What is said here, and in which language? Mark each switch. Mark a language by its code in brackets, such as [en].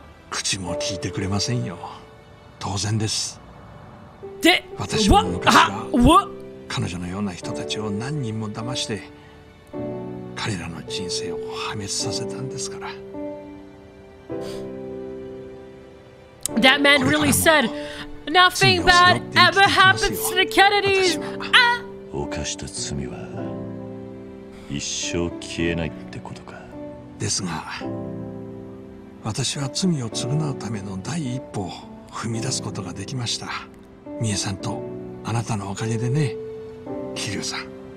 [ja] 口も聞いてくれませんよ。当然です。で、私も昔は彼女のような人たちを何人も騙して彼らの人生を破滅させたんですから。 [en] That man really said, nothing bad ever happens to the Kennedys. [ja] あ、犯した罪は一生消えないってことか。ですが、私は罪を償うための第一歩を踏み出すことができました。ミエさんとあなたのおかげでね、キリュウさん。